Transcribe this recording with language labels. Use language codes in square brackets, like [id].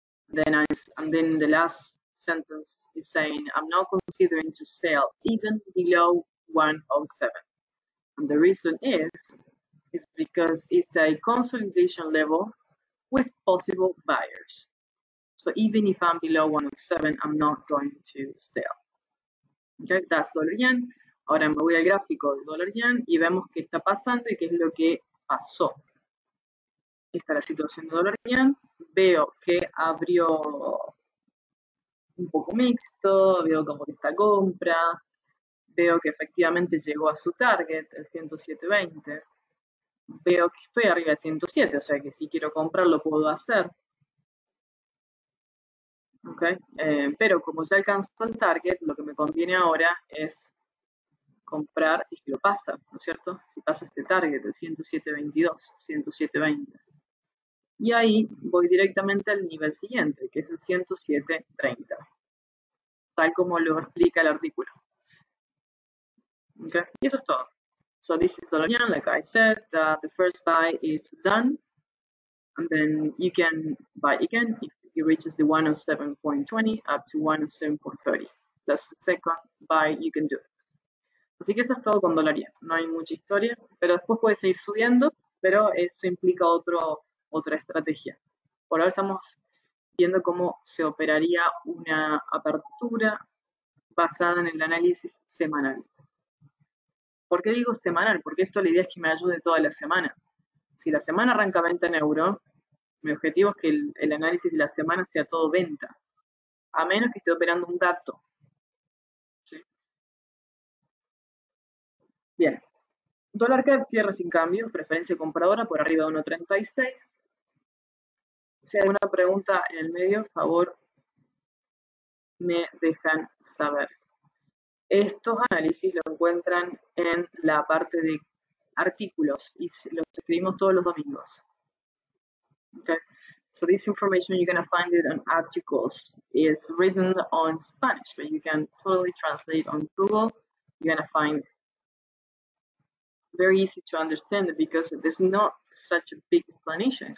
[en] Then the last sentence is saying I'm not considering to sell even below 107. And the reason is because it's a consolidation level with possible buyers. So even if I'm below 107, I'm not going to sell. Okay, that's dollar yen. [es] Ahora me voy al gráfico de dólar yen y vemos qué está pasando y qué es lo que pasó. Está la situación de dólar yen. Veo que abrió un poco mixto, veo como que está compra, veo que efectivamente llegó a su target, el 107.20. Veo que estoy arriba de 107, o sea que si quiero comprar lo puedo hacer. Okay. Pero como ya alcanzó el target, lo que me conviene ahora es comprar, si es que lo pasa, ¿no es cierto? Si pasa este target, el 107.22, 107.20. Y ahí voy directamente al nivel siguiente, que es el 107.30, tal como lo explica el artículo. ¿Okay? Y eso es todo. [en] So this is the line, like I said, that the first buy is done, and then you can buy again if it reaches the 107.20 up to 107.30. That's the second buy you can do. [es] Así que eso es todo con dolaría. No hay mucha historia, pero después puedes seguir subiendo, pero eso implica otra estrategia. Por ahora estamos viendo cómo se operaría una apertura basada en el análisis semanal. ¿Por qué digo semanal? Porque esto la idea es que me ayude toda la semana. Si la semana arranca venta en euro, mi objetivo es que el análisis de la semana sea todo venta, a menos que esté operando un gato. Bien. Dólar CAD cierra sin cambios, preferencia compradora por arriba de 1.36. Si hay alguna pregunta en el medio, por favor, me dejan saber. Estos análisis lo encuentran en la parte de artículos y los escribimos todos los domingos. [en] Okay. So this information you're gonna find it on articles. It's written on Spanish, but you can totally translate on Google. You're gonna find it very easy to understand because there's not such a big explanation.